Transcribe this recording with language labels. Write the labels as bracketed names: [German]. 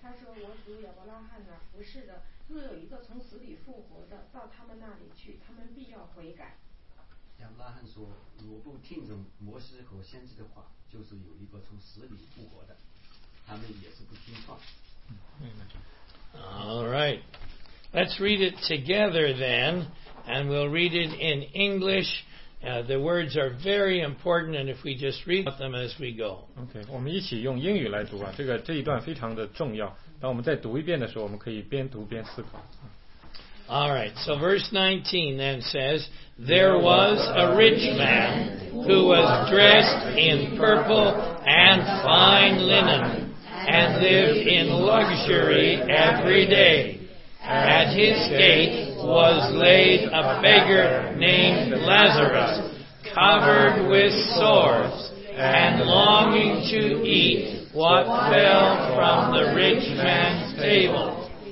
[Chinese] 他说：“我主亚伯拉罕的，不是的，若有一个从死里复活的，到他们那里去，他们必要悔改。” 亚伯拉罕说：“如不听从摩西和先知的话，就是有一个从死里复活的，他们也是不听话。” [English] All right. Let's read it together then, and we'll read it in English. The words are very important, and if we just read them as we go. [Chinese] Okay, 我们一起用英语来读啊，这一段非常的重要。当我们再读一遍的时候，我们可以边读边思考。 [English] All right, so verse 19 then says, There was a rich man who was dressed in purple and fine linen and lived in luxury every day. At his gate was laid a beggar named Lazarus, covered with sores and longing to eat what fell from the rich man's table.